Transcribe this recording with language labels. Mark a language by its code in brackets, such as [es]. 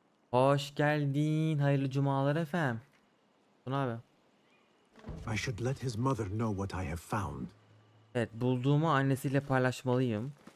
[tr] Hoş geldin, hayırlı cumalar efendim. Bu ne abi? [en] I should let his mother know what I have found. [tr] Evet, bulduğumu annesiyle paylaşmalıyım.